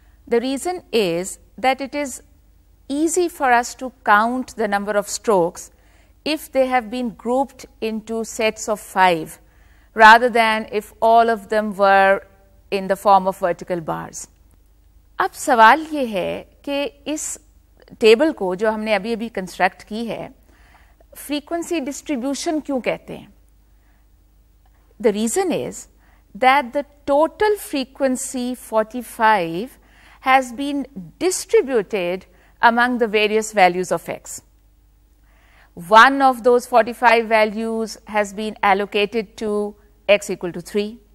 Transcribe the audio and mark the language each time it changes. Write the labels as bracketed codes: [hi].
[en] The reason is that it is easy for us to count the number of strokes if they have been grouped into sets of 5 rather than if all of them were in the form of vertical bars. [ur] اب سوال یہ ہے کہ اس table کو جو ہم نے ابھی ابھی کنسٹرکٹ کی ہے فریکوینسی ڈسٹریبیوشن کیوں کہتے ہیں. [en] The reason is that the total frequency 45 has been distributed among the various values of x. One of those 45 values has been allocated to x equal to 3.